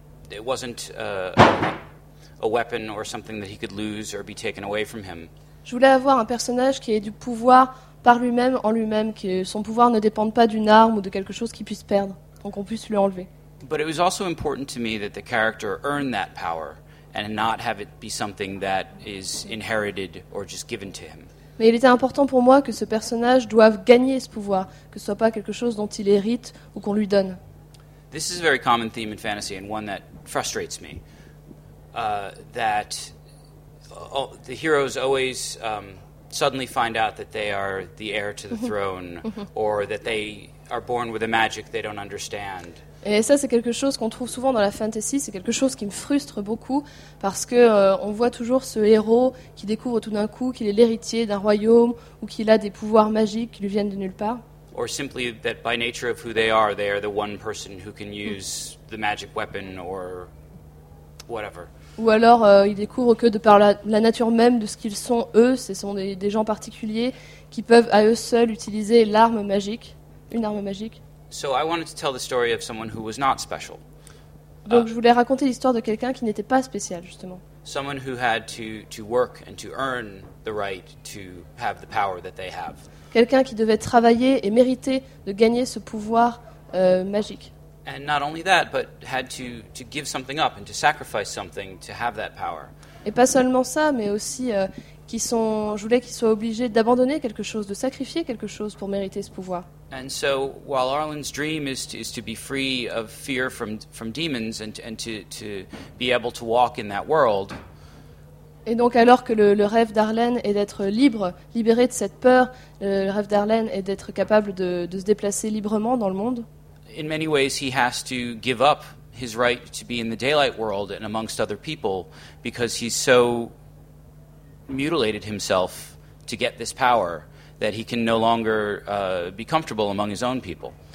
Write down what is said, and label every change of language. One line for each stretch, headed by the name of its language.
English: It wasn't a weapon or something that he could lose or be taken away from him.
French: Je voulais avoir un personnage qui ait du pouvoir par lui-même, en lui-même, que son pouvoir ne dépende pas d'une arme ou de quelque chose qu'il puisse perdre, donc qu'on puisse lui enlever.
English: But it was also important to me that the character earn that power and not have it be something that is inherited or just given to him.
French: Mais il était important pour moi que ce personnage doive gagner ce pouvoir, que ce soit pas quelque chose dont il hérite ou qu'on lui donne.
English: This is a very common theme in fantasy and one that frustrates me. That all, the heroes always suddenly find out that they are the heir to the throne or that they are born with a magic they don't understand.
French: Et ça, c'est quelque chose qu'on trouve souvent dans la fantasy, c'est quelque chose qui me frustre beaucoup, parce qu'on voit toujours ce héros qui découvre tout d'un coup qu'il est l'héritier d'un royaume, ou qu'il a des pouvoirs magiques qui lui viennent de nulle part.
English: Or simply that by nature of who they are the one person who can use the magic weapon or whatever.
French: Ou alors, ils découvrent que de par la nature même de ce qu'ils sont, eux, ce sont des gens particuliers qui peuvent à eux seuls utiliser l'arme magique, une arme magique.
English: So I wanted to tell the story of someone who was not special.
French: Donc je voulais raconter l'histoire de quelqu'un qui n'était pas spécial justement.
English: Someone who had to work and to earn the right to have the power that they have.
French: quelqu'un qui devait travailler et mériter de gagner ce pouvoir magique.
English: And not only that, but had to give something up and to sacrifice something to have that power.
French: Et pas seulement ça, mais aussi je voulais qu'ils soient obligés d'abandonner quelque chose, de sacrifier quelque chose pour mériter ce pouvoir.
English: And so, while Arlen's dream is to be free of fear from demons and to be able to walk in that world.
French: Et donc alors que le rêve d'Arlen est d'être libre, libéré de cette peur, le rêve d'Arlen est d'être capable de se déplacer librement dans le monde.
English: In many ways, he has to give up his right to be in the daylight world and amongst other people because he's so mutilated himself to get this power that he can no longer be comfortable among his own people.